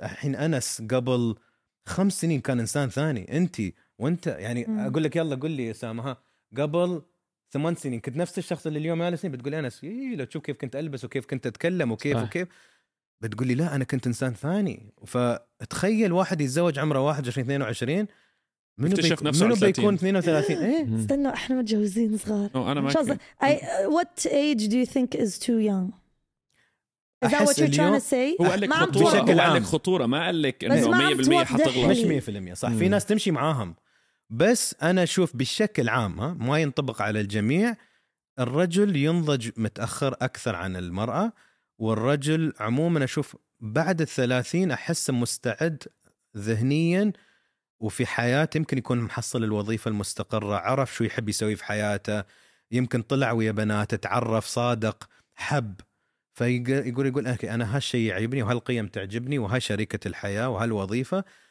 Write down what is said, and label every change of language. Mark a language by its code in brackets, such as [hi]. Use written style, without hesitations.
[ar] الحين أنس قبل 5 سنين كان إنسان ثاني, أنت وأنت يعني أقول لك يلا قل لي يا سامها قبل 8 سنين كنت نفس الشخص اللي اليوم على سنين, بتقولي أنا لو تشوف كيف كنت ألبس وكيف كنت أتكلم وكيف صح. وكيف بتقولي لا أنا كنت إنسان ثاني. فتخيل واحد يتزوج عمره 21 22 منو بيك منو بيكون 32 استنوا إحنا متجوزين صغار. أنا ما [en] What age do you think is too young? Is that what you're trying to say? [ar] هو قالك خطورة, بشكل عام خطورة, ما قالك إنه 100% حتغلط, مش 100% صح. في ناس تمشي معاهم, بس أنا أشوف بشكل عام ما ينطبق على الجميع, الرجل ينضج متأخر أكثر عن المرأة, والرجل عموما أشوف بعد 30 أحس مستعد ذهنيا وفي حياته, يمكن يكون محصل الوظيفة المستقرة, عرف شو يحب يسوي في حياته, يمكن طلع ويا بنات تعرف صادق حب, فيقول أنا هالشي يعجبني وهالقيم تعجبني وهالشركة الحياة وهالوظيفة.